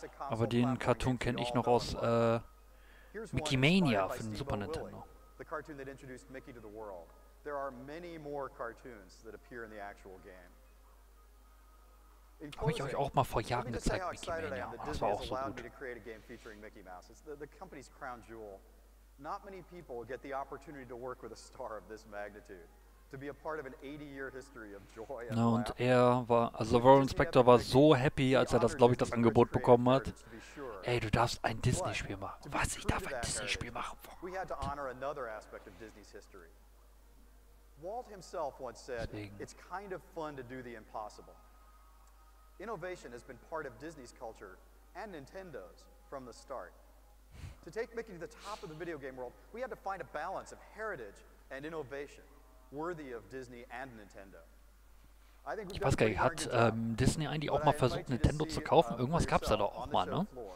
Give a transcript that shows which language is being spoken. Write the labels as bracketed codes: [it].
[de] Aber den Cartoon kenne ich noch aus Mickey Mania für den Super Nintendo. [en] The cartoon that introduced Mickey to the world. There are many more cartoons that appear in the actual game. [de] Habe ich euch auch mal vor Jahren gezeigt, Mickey Mania. Ach, das war auch so gut. [en] To create a game featuring Mickey Mouse. It's the company's crown jewel. Not many people get the opportunity to work with a star of this magnitude, to be a part of an 80-year history of joy and [de] und er war, also Warren Spector war so happy, als er das, glaube ich, das Angebot bekommen hat. Ey, du darfst ein Disney-Spiel machen. Was? Ich darf ein Disney-Spiel machen? [en] We had to honor another aspect of Disney's history. Walt himself once said, it's kind of fun to do the impossible. Innovation has been part of Disney's culture and Nintendo's from the start. To take Mickey to the top of the video game world, we had to find a balance of heritage and innovation worthy of Disney and Nintendo. [de] Ich weiß gar nicht, hat Disney eigentlich auch mal versucht, Nintendo zu kaufen? Irgendwas gab es da doch auch mal, ne?